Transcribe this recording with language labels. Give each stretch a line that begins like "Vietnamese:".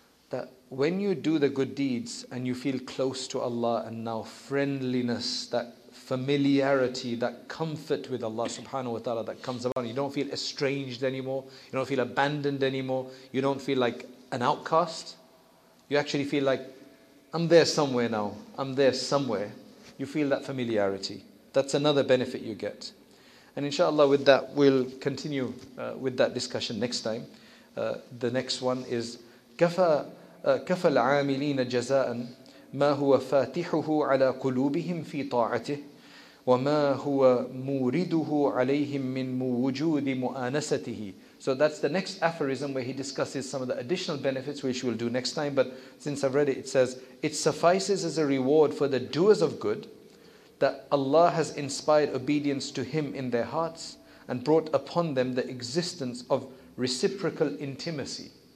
English: That when you do the good deeds and you feel close to Allah, and now friendliness, that familiarity, that comfort with Allah subhanahu wa ta'ala that comes about, you don't feel estranged anymore, you don't feel abandoned anymore, you don't feel like an outcast, you actually feel like, I'm there somewhere now. I'm there somewhere. You feel that familiarity. That's another benefit you get. And inshallah, with that, we'll continue with that discussion next time. The next one is
Arabic: كَفَى الْعَامِلِينَ جَزَاءً مَا هُوَ فَاتِحُهُ عَلَى قُلُوبِهِمْ فِي طَاعَتِهِ وَمَا هُوَ مُورِدُهُ عَلَيْهِمْ مِنْ مُوْجُودِ مُؤَانَسَتِهِ.
English: So that's the next aphorism where he discusses some of the additional benefits, which we'll do next time. But since I've read it, it says, it suffices as a reward for the doers of good that Allah has inspired obedience to Him in their hearts and brought upon them the existence of reciprocal intimacy.